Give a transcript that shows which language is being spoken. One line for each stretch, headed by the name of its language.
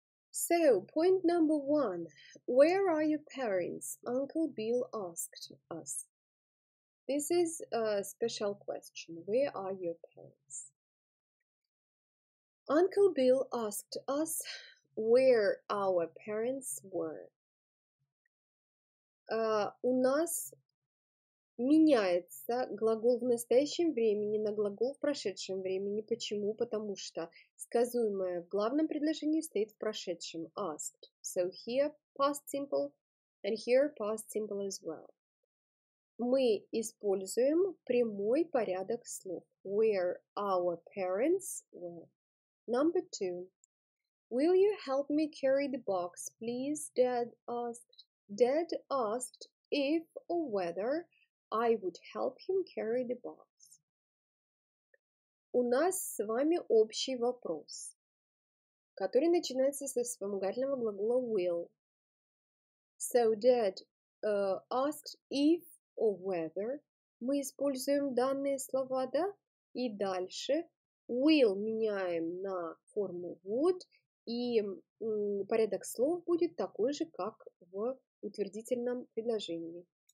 English: So, point number one. Where are your parents? Uncle Bill asked us. This is a special question. Where are your parents? Uncle Bill asked us where our parents were.
Russian: У нас меняется глагол в настоящем времени на глагол в прошедшем времени. Почему? Потому что сказуемое в главном предложении стоит в прошедшем.
English: Asked. So here past simple and here past simple as well.
Russian: Мы используем прямой порядок слов.
English: Where our parents were. Number two. Will you help me carry the box, please? Dad asked. Dad asked if or whether I would help him carry the box.
Russian: У нас с вами общий вопрос, который начинается со вспомогательного глагола will.
English: So Dad asked if or whether.
Russian: Мы используем данные слова, да? И дальше will меняем на форму would, и порядок слов будет такой же, как в утвердительном предложении.